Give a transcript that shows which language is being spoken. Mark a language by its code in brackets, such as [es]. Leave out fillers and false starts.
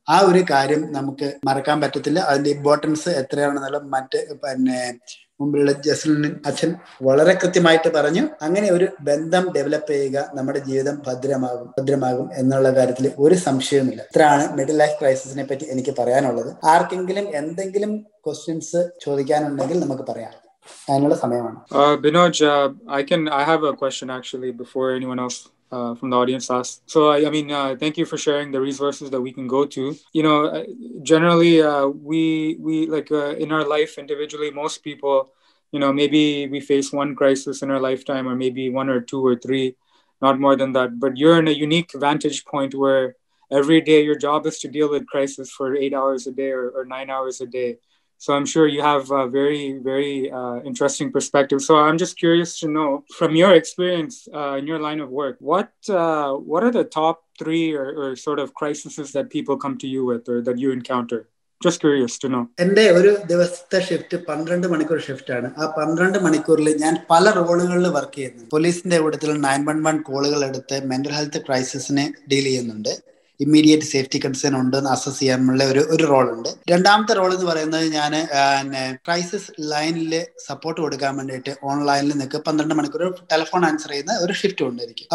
[ml] ആ ഒരു കാര്യം നമുക്ക് മറക്കാൻ പറ്റത്തില്ല. അതിൻ്റെ ഇമ്പോർട്ടൻസ് എത്രയാണെന്നുള്ള മറ്റ് മുമ്പിലുള്ള ജസ്ലിൻ അച്ഛൻ വളരെ കൃത്യമായിട്ട് പറഞ്ഞു. അങ്ങനെ ഒരു ബന്ധം ഡെവലപ്പ് ചെയ്യുക, നമ്മുടെ ജീവിതം ഭദ്രമാകും എന്നുള്ള കാര്യത്തിൽ ഒരു സംശയവുമില്ല. ഇത്രയാണ് മിഡിൽ ലൈഫ് ക്രൈസിസിനെ പറ്റി എനിക്ക് പറയാനുള്ളത്. ആർക്കെങ്കിലും എന്തെങ്കിലും ക്വസ്റ്റ്യൻസ് ചോദിക്കാനുണ്ടെങ്കിൽ നമുക്ക് പറയാം. അതിനുള്ള സമയമാണ്. [en] Binoj, I have a question actually before anyone else from the audience asks. So thank you for sharing the resources that we can go to. You know, generally we in our life individually, most people, you know, maybe we face one crisis in our lifetime, or maybe one or two or three, not more than that. But you're in a unique vantage point where every day your job is to deal with crisis for 8 hours a day or 9 hours a day. So I'm sure you have a very, very interesting perspective. So I'm just curious to know, from your experience in your line of work, what are the top three or sort of crises that people come to you with or that you encounter? Just curious to know. [ml] എന്റെ ഒരു ദിവസത്തെ shift 12 മണിക്കൂർ shift ആണ്. ആ 12 മണിക്കൂറിൽ ഞാൻ പല റോളുകളിൽ work ചെയ്യുന്നു. പോലീസിന്റെ കൂടുതൽ 911 കോളുകൾ എടുത്ത് മെന്റൽ ഹെൽത്ത് ക്രൈസിസിനെ ഡീൽ ചെയ്യുന്നുണ്ട്. ഇമ്മീഡിയറ്റ് സേഫ്റ്റി കൺസേൺ ഉണ്ടെന്ന് അസസ് ചെയ്യാനുള്ള ഒരു റോളുണ്ട്. രണ്ടാമത്തെ റോൾ എന്ന് പറയുന്നത്, ഞാൻ ക്രൈസിസ് ലൈനിൽ സപ്പോർട്ട് കൊടുക്കാൻ വേണ്ടിയിട്ട് ഓൺലൈനിൽ നിൽക്കുക, 12 മണിക്കൂർ ടെലിഫോൺ ആൻസർ ചെയ്യുന്ന ഒരു ഷിഫ്റ്റ് ഉണ്ടായിരിക്കും.